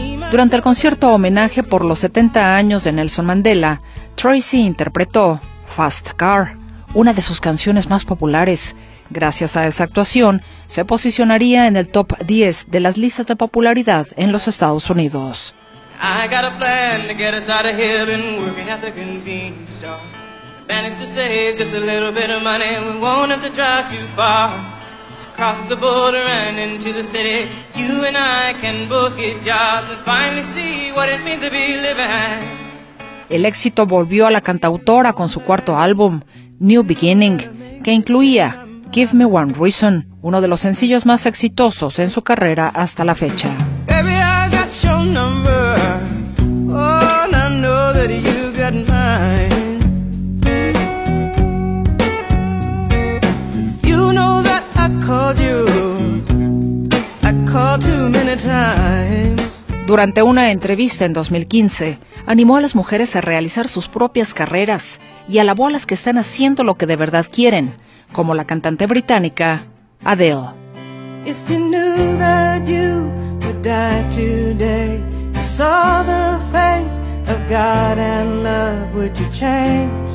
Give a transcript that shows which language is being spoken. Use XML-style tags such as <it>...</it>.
<es>Durante el concierto homenaje por los 70 años de Nelson Mandela, Tracy interpretó Fast Car, una de sus canciones más populares. Gracias a esa actuación, se posicionaría en el top 10 de las listas de popularidad en los Estados Unidos.</es> <en>I got a plan to get us out of here, been working at the convenience store. Managed to save just a little bit of money, we won't have to drive too far. Across the border and into the city, you and I can both get jobs and finally see what it means to be living.</en> <es>El éxito volvió a la cantautora con su cuarto álbum, New Beginning, que incluía Give Me One Reason, uno de los sencillos más exitosos en su carrera hasta la fecha.</es> <en>Baby, I got your number. Oh, and I know that you got mine. You know that I called you. I called too many times.</en> <es>Durante una entrevista en 2015, animó a las mujeres a realizar sus propias carreras y alabó a las que están haciendo lo que de verdad quieren, como la cantante británica Adele.</es> <en>If you knew that you would die today, you saw the face of God and love, would you change?</en>